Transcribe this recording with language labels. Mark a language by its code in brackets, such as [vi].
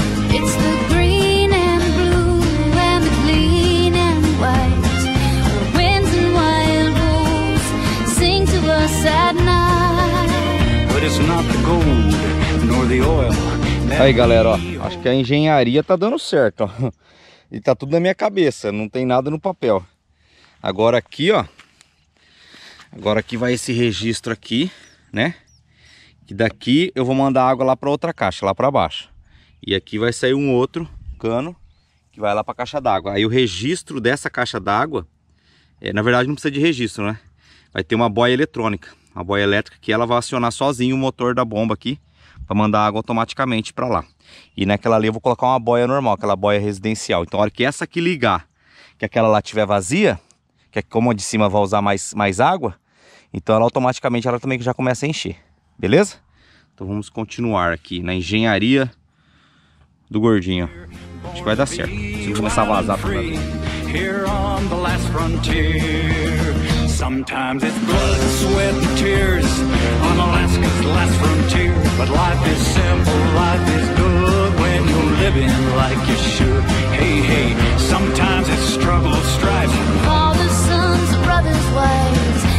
[en] It's the green and blue and the clean and white. The winds and wild wolves sing to us at night. But it's not the gold nor the oil. [pt] Aí galera, ó, acho que a engenharia tá dando certo, ó. E tá tudo na minha cabeça, não tem nada no papel. Agora aqui, ó. Agora aqui vai esse registro aqui, né? E daqui eu vou mandar água lá pra outra caixa, lá pra baixo. E aqui vai sair um outro cano que vai lá pra caixa d'água. Aí o registro dessa caixa d'água, na verdade não precisa de registro, né? Vai ter uma boia eletrônica, uma boia elétrica que ela vai acionar sozinho o motor da bomba aqui, pra mandar água automaticamente pra lá. E naquela ali eu vou colocar uma boia normal, aquela boia residencial. Então a hora que essa aqui ligar, que aquela lá estiver vazia, que é como a de cima vai usar mais água, então ela automaticamente ela também já começa a encher. Beleza? Então vamos continuar aqui na engenharia do gordinho. Acho que vai dar certo. Se começar a vazar também. [en] Here on the last frontier. Sometimes it's blood, sweat, and tears on Alaska's last frontier. But life is simple, life is good when you're living like you should. Hey, hey, sometimes it's struggle, strife, father, sons, brothers, wives.